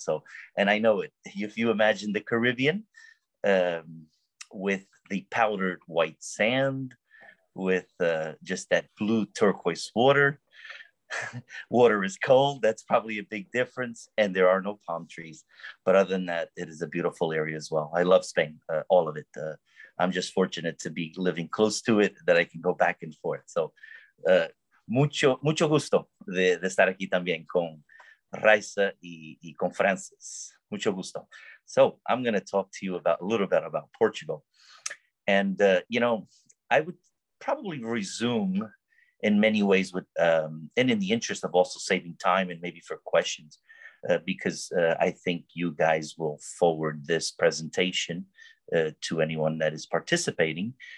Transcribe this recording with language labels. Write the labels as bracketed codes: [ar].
[en] So, and I know it, if you imagine the Caribbean with the powdered white sand, with just that blue turquoise water, water is cold, that's probably a big difference, and there are no palm trees. But other than that, it is a beautiful area as well. I love Spain, all of it. I'm just fortunate to be living close to it that I can go back and forth. [es] So, mucho gusto de estar aquí también con Raisa y con Francis. Mucho gusto. [en] So I'm going to talk to you about a little bit about Portugal. And, you know, I would probably resume in many ways with, and in the interest of also saving time and maybe for questions, because I think you guys will forward this presentation to anyone that is participating.